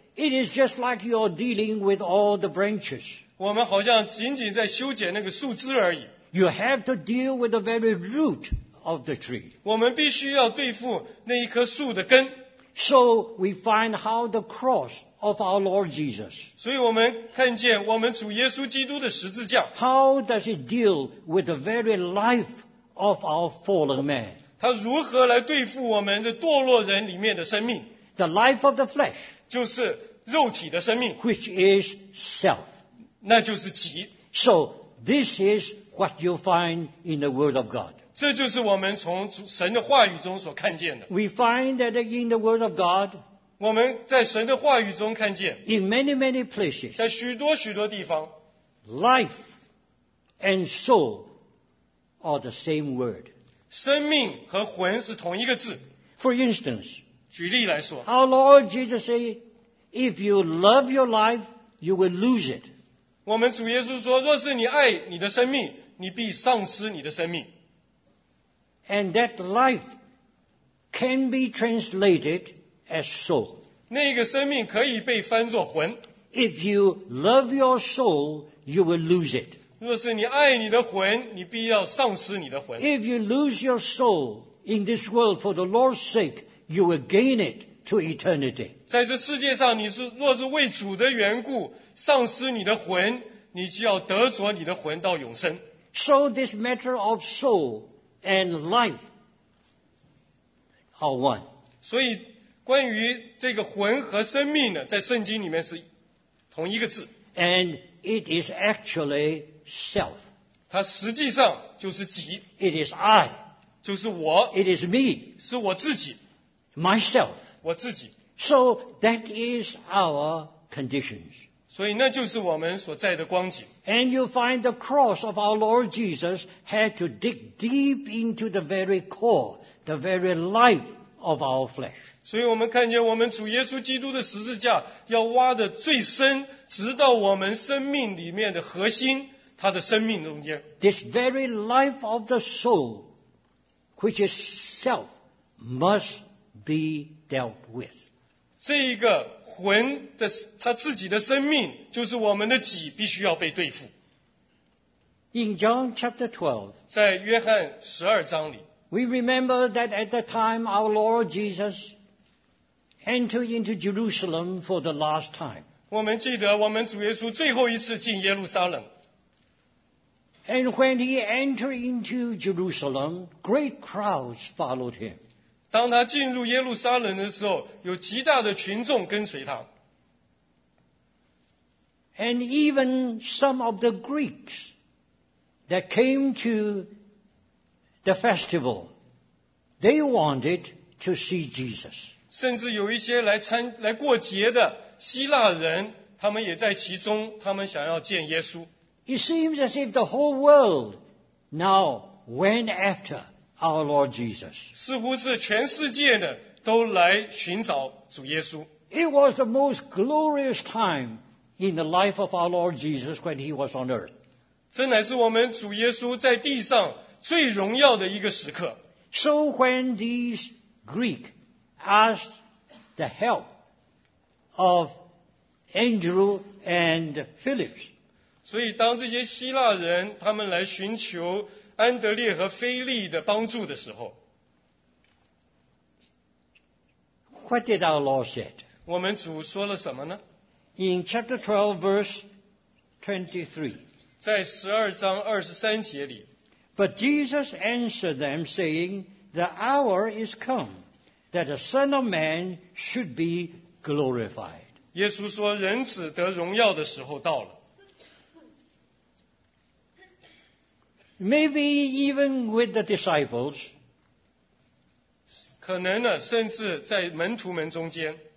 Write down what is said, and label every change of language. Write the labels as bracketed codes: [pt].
[en] It is just like you are dealing with all the branches [zh] 我们好像仅仅在修剪那个树枝而已 [en] You have to deal with the very root of the tree [zh] 我们必须要对付那一棵树的根 [en] So we find how the cross of our Lord Jesus [zh] 所以我们看见我们主耶稣基督的十字架 [en] How does it deal with the very life of our fallen man [zh] 它如何来对付我们的堕落人里面的生命 [en] The life of the flesh [zh] 就是肉体的生命 [en] Which is self [zh] 那就是己 [en] So this is what you find in the word of God [zh] 这就是我们从神的话语中所看见的。 [en] We find that in the word of God, [zh] 我们在神的话语中看见 [en] in many, many places, [zh] 在许多许多地方 [en] life and soul are the same word. [zh] 生命和魂是同一个字。 [en] For instance, [zh] 举例来说 [en] Our Lord Jesus said, if you love your life, you will lose it. [zh] 我们主耶稣说若是你爱你的生命你必丧失你的生命。 [en] And that life can be translated as soul. [zh] 那个生命可以被翻作魂。 [en] If you love your soul, you will lose it. [zh] 若是你爱你的魂，你必要丧失你的魂。 [en] If you lose your soul in this world for the Lord's sake, you will gain it to eternity. [zh] 在这世界上，你是若是为主的缘故丧失你的魂，你就要得着你的魂到永生。 [en] So this matter of soul. And life are one. [zh] 所以关于这个魂和生命呢，在圣经里面是同一个字。 [en] And it is actually self. [zh] 它实际上就是己。 [en] It is I. [zh] 就是我。 [en] It is me. [zh] 是我自己。 [en] Myself. [zh] 我自己。 [en] So that is our conditions. [zh] 所以那就是我们所在的光景。 [en] And you find the cross of our Lord Jesus had to dig deep into the very core, the very life of our flesh. [zh] 所以我们看见我们主耶稣基督的十字架要挖得最深，直到我们生命里面的核心，他的生命中间。 [en] This very life of the soul, which is self, must be dealt with. [zh] 这一个魂的他自己的生命就是我们的己必须要被对付 [en] In John chapter 12 [zh] 在约翰十二章里 [en] We remember that at the time our Lord Jesus entered into Jerusalem for the last time [zh] 我们记得我们主耶稣最后一次进耶路撒冷 [en] And when he entered into Jerusalem great crowds followed him [zh] 当他进入耶路撒冷的时候有极大的群众跟随他 [en] And even some of the Greeks that came to the festival they wanted to see Jesus [zh] 甚至有一些 来过节的希腊人他们也在其中他们想要见耶稣 [en] It seems as if the whole world now went afterOur Lord Jesus. [zh] 似乎是全世界的都来寻找主耶稣。 [en] It was the most glorious time in the life of our Lord Jesus when he was on earth. [zh] 这乃是我们主耶稣在地上最荣耀的一个时刻。 [en] So when these Greeks asked the help of Andrew and Philip, [zh] 所以当这些希腊人他们来寻求安德烈和菲利的帮助的时候 [en] What did our Lord said? [zh] 我们主说了什么呢 [en] In chapter 12 verse 23 [zh] 在十二章二十三节里 [en] But Jesus answered them saying the hour is come that the Son of Man should be glorified. [zh] 耶稣说人子得荣耀的时候到了。 [en] Maybe even with the disciples. [zh] 可能呢甚至在门徒们中间。